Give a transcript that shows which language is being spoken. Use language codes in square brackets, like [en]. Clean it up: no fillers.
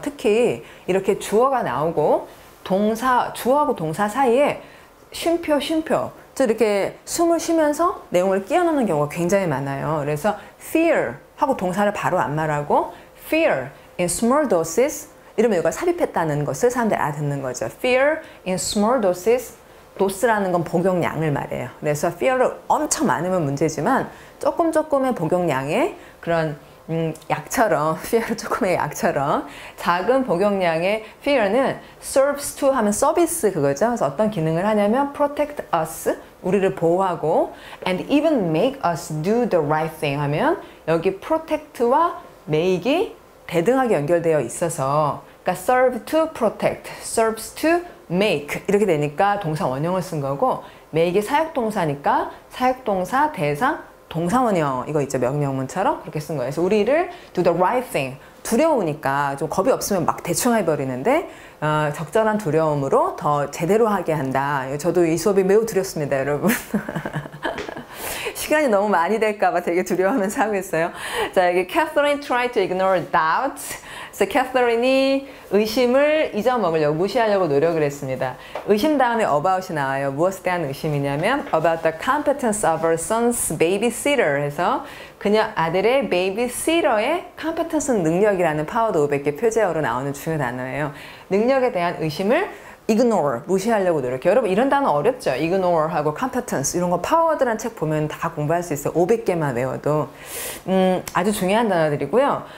[ko] 특히 이렇게 주어가 나오고 동사, 주어하고 동사 사이에 쉼표, 즉 이렇게 숨을 쉬면서 내용을 끼어넣는 경우가 굉장히 많아요. 그래서 fear 하고 동사를 바로 안 말하고 [en] fear in small doses [ko] 이러면 이걸 삽입했다는 것을 사람들이 알아듣는 거죠. [en] fear in small doses, [ko] dose라는 건 복용량을 말해요. 그래서 fear를 엄청 많으면 문제지만 조금 조금의 복용량에 그런 약처럼, fear 조금의 약처럼 작은 복용량의 fear는 [en] serves to [ko] 하면 서비스 그거죠. 그래서 어떤 기능을 하냐면 [en] protect us, [ko] 우리를 보호하고, [en] and even make us do the right thing [ko] 하면 여기 protect와 make이 대등하게 연결되어 있어서, 그러니까 [en] serve to protect, serves to make [ko] 이렇게 되니까 동사 원형을 쓴 거고, make이 사역동사니까 사역동사 대상 동사원형, 이거 있죠, 명령문처럼 그렇게 쓴 거예요. 그래서 우리를 [en] do the right thing, [ko] 두려우니까 좀 겁이 없으면 막 대충 해버리는데 적절한 두려움으로 더 제대로 하게 한다. 저도 이 수업이 매우 두렵습니다, 여러분. 시간이 너무 많이 될까봐 되게 두려워하면서 하고 있어요. 자, 여기 [en] Catherine tried to ignore doubt. [ko] 그래서 Catherine이 의심을 잊어먹으려고, 무시하려고 노력을 했습니다. 의심 다음에 about이 나와요. 무엇에 대한 의심이냐면 [en] about the competence of her son's babysitter. [ko] 해서 그녀 아들의 babysitter의 competence는 능력이라는 power of 100개 표제어로 나오는 중요 단어예요. 능력에 대한 의심을 ignore, 무시하려고 노력해. 여러분 이런 단어 어렵죠? ignore하고 competence 이런 거 파워드란 책 보면 다 공부할 수 있어요. 500개만 외워도. 아주 중요한 단어들이고요.